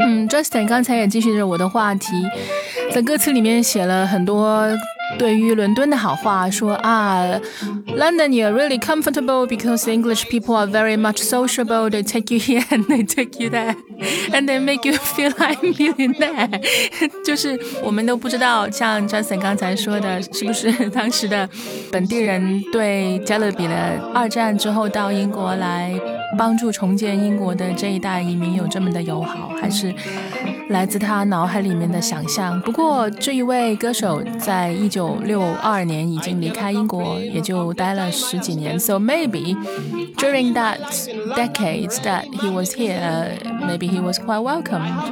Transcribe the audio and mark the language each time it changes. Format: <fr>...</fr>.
<zh>Justin 刚才也继续着我的话题，在歌词里面写了很多对于伦敦的好话，说啊</zh> <en>London, you're really comfortable because the English people are very much sociable. They take you here and they take you there and they make you feel like millionaire.</en> <zh>就是我们都不知道，像 Justin 刚才说的，是不是当时的本地人对加勒比的二战之后到英国来帮助重建英国的这一代移民有这么的友好，还是来自他脑海里面的想象。不过这一位歌手在1962年已经离开英国，也就待了十几年。</zh> <en>So maybe during that decades that he was here, maybe he was quite welcome.</en>